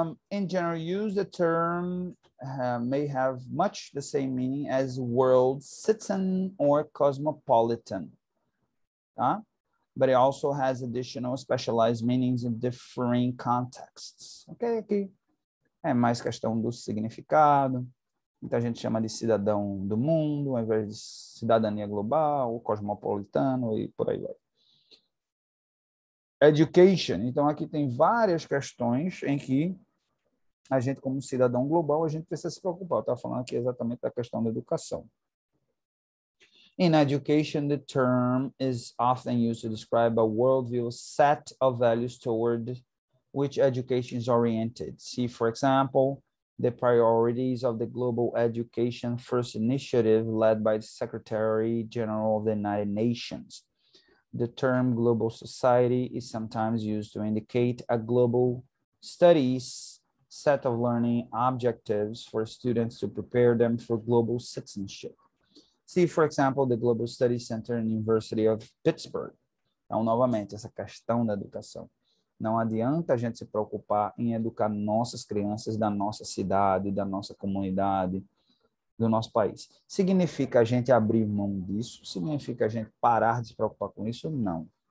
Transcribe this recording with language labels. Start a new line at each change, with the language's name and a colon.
English: In general use, the term may have much the same meaning as world citizen or cosmopolitan. Tá? But it also has additional specialized meanings in differing contexts.
Portuguese: Ok, aqui é mais questão do significado. Muita gente chama de cidadão do mundo, ao invés de cidadania global, cosmopolitano e por aí vai. Education. Então, aqui tem várias questões em que a gente, como cidadão global, a gente precisa se preocupar. Eu estava falando aqui exatamente da questão da educação.
English: In education, the term is often used to describe a worldview set of values toward which education is oriented. See, for example, the priorities of the Global Education First Initiative led by the Secretary General of the United Nations. The term global society is sometimes used to indicate a global studies set of learning objectives for students to prepare them for global citizenship. See, for example, the Global Studies Center and University of Pittsburgh.
Portuguese: Então, novamente, essa questão da educação. Não adianta a gente se preocupar em educar nossas crianças da nossa cidade, da nossa comunidade, do nosso país. Significa a gente abrir mão disso? Significa a gente parar de se preocupar com isso? Não.